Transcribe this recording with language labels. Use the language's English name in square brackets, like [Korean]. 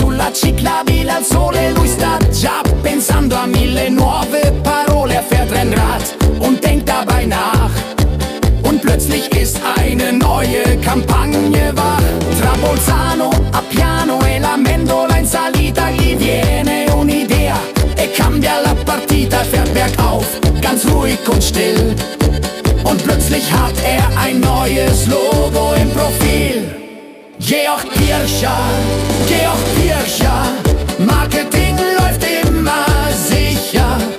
[Italian] Ciclabile al sole, lui sta già pensando a mille nuove parole. [German] Er fährt Rennrad und denkt dabei nach. Und plötzlich ist eine neue Kampagne wach. [Italian] Tra Bolzano, Appiano e la Mendola in salita, gli viene un'idea e cambia la partita. [German] Fährt bergauf, ganz ruhig und still. Und plötzlich hat ein neues Logo im Profil. Georg Pircher, Georg Pircher, Marketing läuft immer sicher.